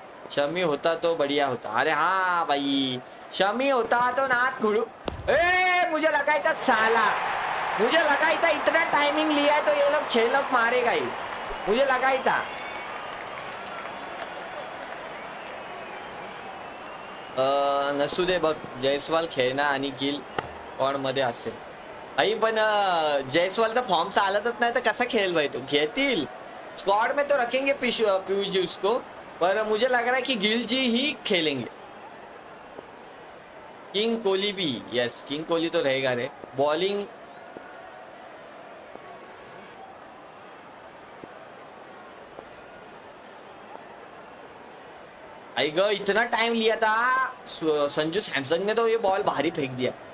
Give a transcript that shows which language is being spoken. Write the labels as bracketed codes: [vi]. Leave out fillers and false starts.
[hi] शमी होता तो बढ़िया होता. अरे हाँ भाई शमी होता तो ना खुड़ू. ए मुझे लगा था साला मुझे लगा था इतना टाइमिंग लिया है तो ये लोग छह लोग मारेगा ही मुझे लगा था. [mr] नसुदे बघ जयसवाल खेळणार आणि गिल कोण मध्ये असेल. आई पण जयसवालचा फॉर्म चालतच नाही तर कसा खेळेल भाई तो. [hi] घेतील स्क्वॉड में तो रखेंगे पीयूजी उसको पर मुझे लग रहा है कि गिल जी ही खेलेंगे. किंग कोहली भी यस किंग कोहली तो रहेगा रे. बॉलिंग आई गो इतना टाइम लिया था संजू सैमसन ने तो ये बॉल भारी फेंक दिया.